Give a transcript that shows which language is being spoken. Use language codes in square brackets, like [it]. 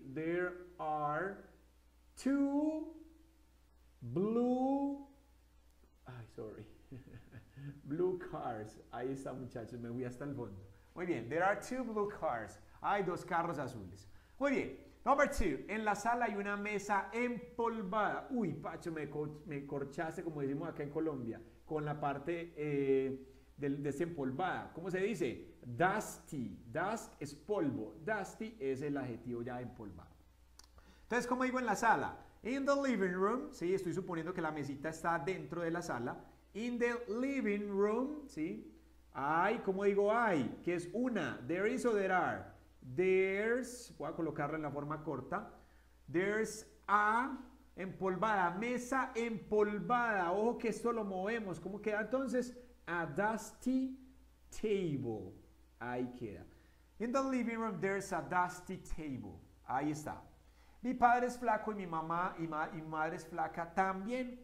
[en] There are two blue, ay, sorry, blue cars. [es] Ahí está, muchachos, me voy hasta el fondo. Muy bien, [en] there are two blue cars. [es] Hay dos carros azules. Muy bien, number two. En la sala hay una mesa empolvada. Uy, Pacho, me corchaste, como decimos acá en Colombia, con la parte de esa empolvada. ¿Cómo se dice? Dusty. Dust es polvo. Dusty es el adjetivo ya empolvado. Entonces, ¿cómo digo en la sala? [en] In the living room. [es] Sí, estoy suponiendo que la mesita está dentro de la sala. [en] In the living room. [es] Sí. Hay, ¿cómo digo hay? Que es una. There is o there are. There's, voy a colocarla en la forma corta. There's a empolvada, mesa empolvada. Ojo que esto lo movemos. ¿Cómo queda entonces? [en] A dusty table. [es] Ahí queda. [en] In the living room there's a dusty table. [es] Ahí está. Mi padre es flaco y mi mamá y madre es flaca también.